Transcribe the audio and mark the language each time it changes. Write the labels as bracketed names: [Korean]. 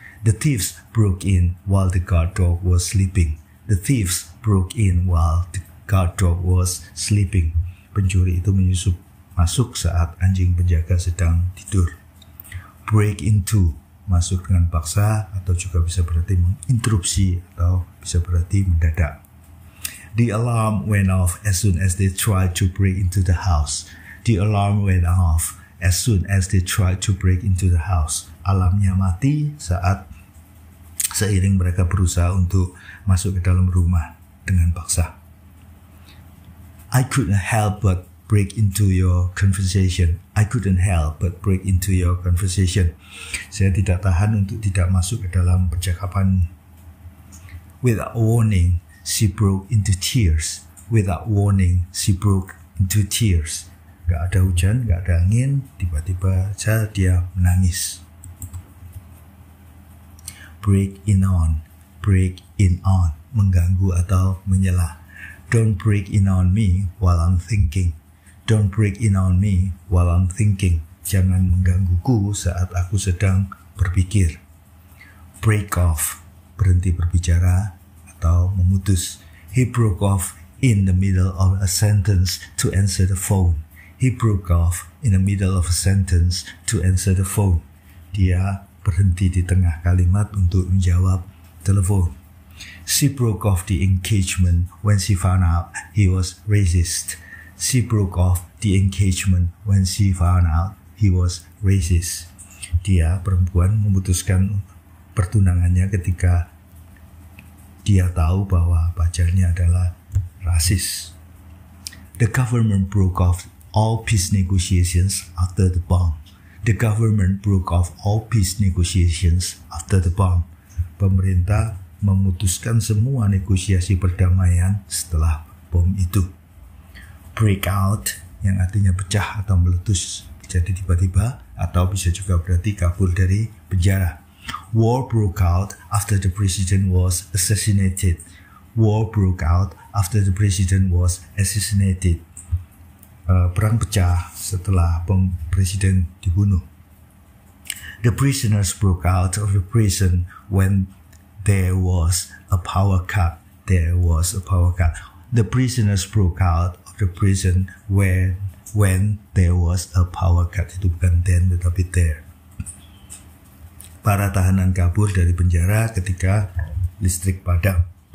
[English] The thieves broke in while the guard dog was sleeping. The thieves broke in while the guard dog was sleeping. [Indonesian] Pencuri itu menyusup masuk saat anjing penjaga sedang tidur. Break into, masuk dengan paksa atau juga bisa berarti menginterupsi atau bisa berarti mendadak. [English] The alarm went off as soon as they tried to break into the house. The alarm went off as soon as they tried to break into the house. [Indonesian] Alarmnya mati saat seiring mereka berusaha untuk masuk ke dalam rumah dengan paksa. [English] I couldn't help but break into your conversation. I couldn't help but break into your conversation. [Indonesian] Saya tidak tahan untuk tidak masuk ke dalam percakapan. [English] Without warning, she broke into tears. Without warning, she broke into tears. [Indonesian] Gak ada hujan, gak ada angin, tiba-tiba saja dia menangis. [English] Break in on. Break in on. [Indonesian] Mengganggu atau menyela. [English] Don't break in on me while I'm thinking. Don't break in on me while I'm thinking. [Indonesian] Jangan menggangguku saat aku sedang berpikir. Break off. Berhenti berbicara atau memutus. [English] He broke off in the middle of a sentence to answer the phone. He broke off in the middle of a sentence to answer the phone. [Indonesian] Dia berhenti di tengah kalimat untuk menjawab telepon. [English] She broke off the engagement when she found out he was racist. She broke off the engagement when she found out he was racist. [Indonesian] Dia, perempuan, memutuskan pertunangannya ketika dia tahu bahwa pacarnya adalah rasis. [English] The government broke off all peace negotiations after the bomb. The government broke off all peace negotiations after the bomb. [Indonesian] Pemerintah memutuskan semua negosiasi perdamaian setelah bom itu. Break out, yang artinya pecah atau meletus, jadi tiba-tiba, atau bisa juga berarti kabur dari penjara. [English] War broke out after the president was assassinated. War broke out after the president was assassinated. [Indonesian] Perang pecah setelah bom presiden dibunuh. [English] The prisoners broke out of the prison when there was a power cut. There was a power cut. The prisoners broke out of the prison when there was a power cut. [Indonesian] Itu bukan then tetapi there. Para tahanan kabur dari penjara ketika listrik padam.